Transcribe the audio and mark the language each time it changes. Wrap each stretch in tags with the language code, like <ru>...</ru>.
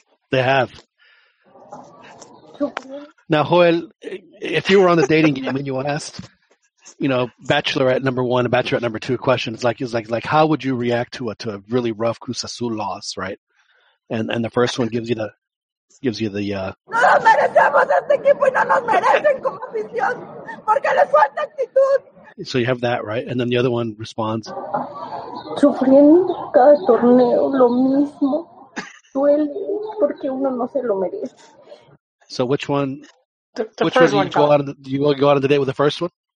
<en>They have. Now, Joel, if you were on the dating game and you asked, you know, bachelorette number one and bachelorette number two questions, like, it's like how would you react to a really rough Cruz Azul loss, right? And the first one gives you the</en> <es>No lo merecemos, este equipo no lo merecen como afición, porque les falta actitud.</es> <en>So you have that, right? And then the other one responds,</en> <es>sufriendo cada torneo lo mismo, duele porque uno no se lo merece.</es> <en>So which one? Do you go out on the date with the first one?</en>